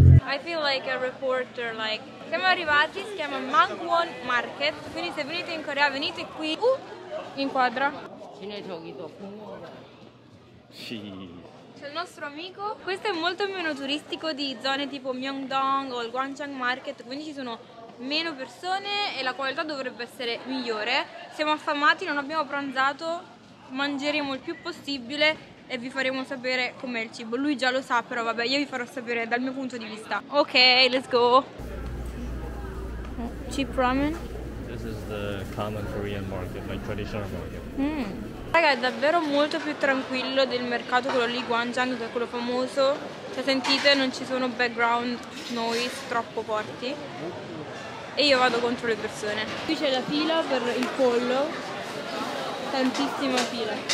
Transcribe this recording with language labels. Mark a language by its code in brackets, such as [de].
[en] I feel like a reporter, like. [it] Siamo arrivati, si chiama Mangwon Market, quindi se venite in Corea venite qui. Inquadra. C'è il nostro amico. Questo è molto meno turistico di zone tipo Myeongdong o il Gwangjang Market, quindi ci sono meno persone e la qualità dovrebbe essere migliore. Siamo affamati, non abbiamo pranzato, mangeremo il più possibile e vi faremo sapere com'è il cibo. Lui già lo sa, però vabbè, io vi farò sapere dal mio punto di vista. [en] Ok, let's go. Cheap ramen. This is the common Korean market, my traditional market. [it] Raga, è davvero molto più tranquillo del mercato quello lì, Gwangjang, che è quello famoso. Cioè, sentite, non ci sono [en] background noise [it] troppo forti. E io vado contro le persone. Qui c'è la fila per il pollo. Tantissima fila.